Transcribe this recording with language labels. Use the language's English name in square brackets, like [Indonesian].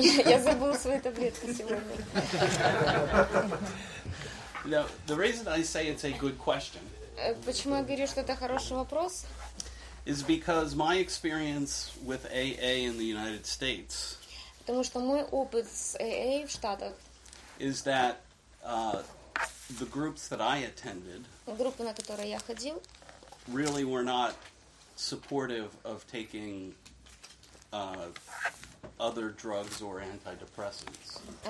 [Russian] Я забыл свою таблетку сегодня. [English] Now, the reason I say it's a good question. [Russian] Почему я говорю, что это хороший вопрос? [English] Is because my experience with AA in the United States. [Russian] Потому что мой опыт с AA в Штатах [English] is that the groups that I attended, [Russian] группы, на которые я ходил, [English] really were not supportive of taking other drugs or antidepressants.